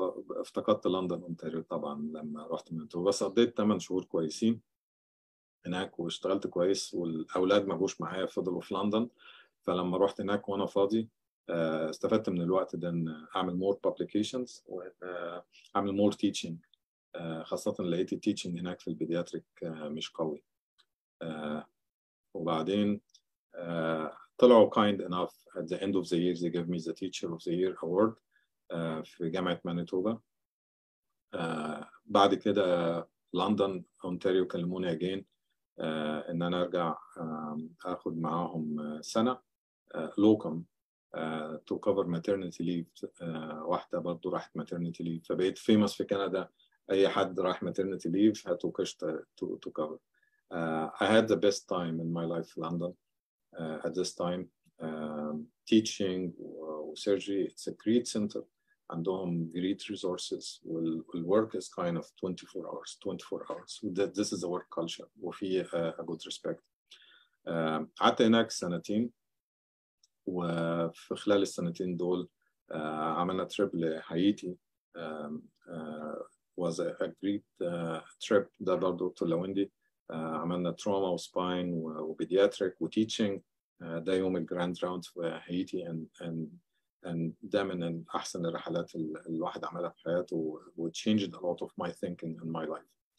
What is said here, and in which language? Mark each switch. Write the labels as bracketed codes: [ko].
[ar] افتقدت لندن أونتاريو طبعا لما رحت منتوبا، بس قضيت 8 شهور كويسين هناك واشتغلت كويس، والأولاد ما جوش معايا فضلوا في لندن. فلما رحت هناك وانا فاضي استفدت من الوقت ده ان اعمل مور بابليكيشنز واعمل مور تيتشنج، خاصة لقيت التيتشنج هناك في البيدياتريك مش قوي. وبعدين طلعوا [en] kind enough at the end of the year they gave me the teacher of the year award [ar] في جامعة مانيتوبا. بعد كده لندن أونتاريو كلموني again إن أنا أرجع أخذ معاهم سنة [en] locum to cover maternity leave. [ar] واحدة برضو راحت maternity leave، فبقيت famous في كندا، أي حد راح maternity leave هاتوا كشتا [en] to cover. I had the best time in my life in London. At this time, teaching surgery. It's a great center and great resources. We'll work as kind of 24 hours. This is a work culture with a good respect. At the next sanatin, [ar] وفي خلال السنتين دول عملنا تريب لهايتي [en] was a great trip [ar] ده برضو دكتور لويندي عملنا تروما وسباين وبيدياتريك وتيتشنج ده يوم الجراند راوند في هايتي and ده من احسن الرحلات الواحد عملها في حياته و [en] changed a lot of my thinking and my life.